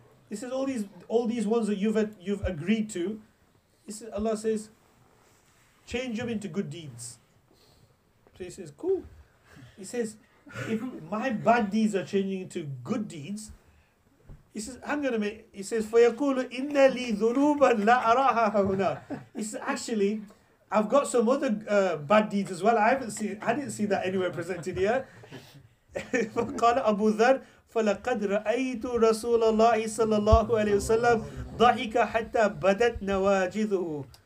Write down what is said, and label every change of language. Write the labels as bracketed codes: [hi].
[en] This is all these ones that you've agreed to. This is, Allah says, change them into good deeds. So he says, cool. He says, if my bad deeds are changing into good deeds, he says, hang on a minute. He says, [ar] فَيَقُولُ إِنَّ لِي ذُنُوبًا لَا أَرَاهَا هُنَا. [en] He says, actually, I've got some other bad deeds as well. I didn't see that anywhere presented here. [ar] فَقَالَ أَبُو ذَرْ فَلَقَدْ رَأَيْتُ رَسُولَ اللَّهِ صَلَّى اللَّهُ عَلَيْهِ وَسَلَّمْ ضَحِكَ حَتَّى بَدَتْ نَوَاجِذُهُ.